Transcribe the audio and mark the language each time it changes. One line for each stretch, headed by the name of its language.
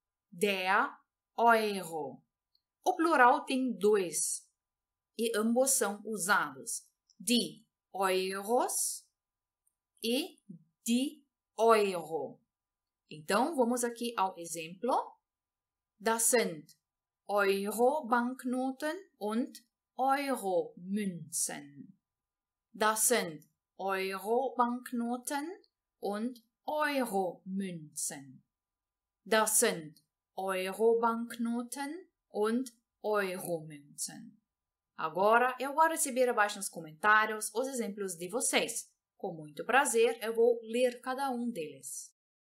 Portuguese: Der Euro. O plural tem dois. E ambos são usados. Die Euros e die Euro. Então, vamos aqui ao exemplo.
German: Das sind Euro-Banknoten und Euro-Münzen. Das sind Euro-Banknoten und Euro-Münzen. Das sind Euro-Banknoten und Euro-Münzen.
Portuguese: Agora, eu vou receber abaixo nos comentários os exemplos de vocês. Com muito prazer, eu vou ler cada um deles.